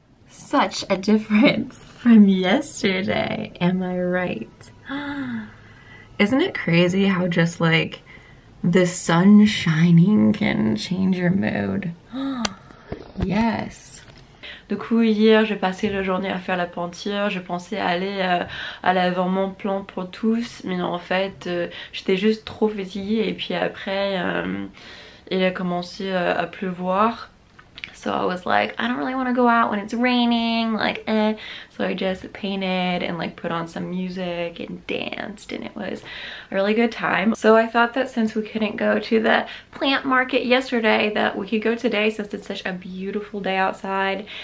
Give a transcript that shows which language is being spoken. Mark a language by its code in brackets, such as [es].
[en] Such a difference from yesterday. Am I right? Isn't it crazy how just like the sun shining can change your mood? Yes. [fr] Du coup, hier, j'ai passé la journée à faire la peinture. Je pensais aller à l'avant-mon plan pour tous. Mais en fait, j'étais juste trop fatiguée. Et puis après, il a commencé à pleuvoir. [en] So I was like, I don't really want to go out when it's raining. Like, eh. So I just painted and like put on some music and danced. And it was a really good time. So I thought that since we couldn't go to the plant market yesterday, that we could go today since it's such a beautiful day outside.